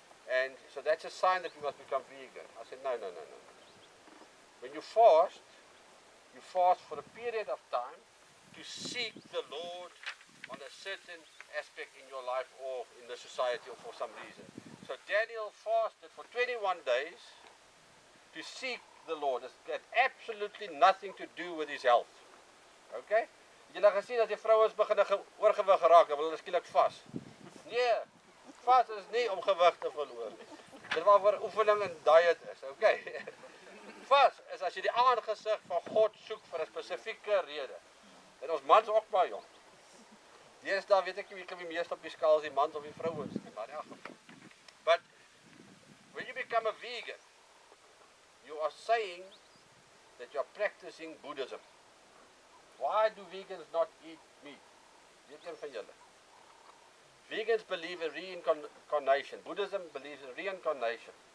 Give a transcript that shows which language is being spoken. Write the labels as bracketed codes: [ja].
[en] And so that's a sign that we must become vegan. I said, no. When you fast for a period of time to seek the Lord on a certain aspect in your life or in the society or for some reason. So Daniel fasted for 21 days to seek the Lord. It had absolutely nothing to do with his health. Okay? [af] Jy het gesien dat die vrouens begin oorgewig raak, dan wil hulle skielik vas. Nee, vas is nie om gewig te verloor. Dit waarvoor oefening en diet is, okay? Vas is as jy die aangesig van God soek vir 'n spesifieke rede. En ons mans ook maar jong. Deers daar weet ek nie wie kan die meeste op die skaal is, die mans of die vrouens. Maar ja, [en] but when you become a vegan, you are saying that you are practicing Buddhism. Why do vegans not eat meat? [af] Weet een van julle? [en] Vegans believe in reincarnation. Buddhism believes in reincarnation.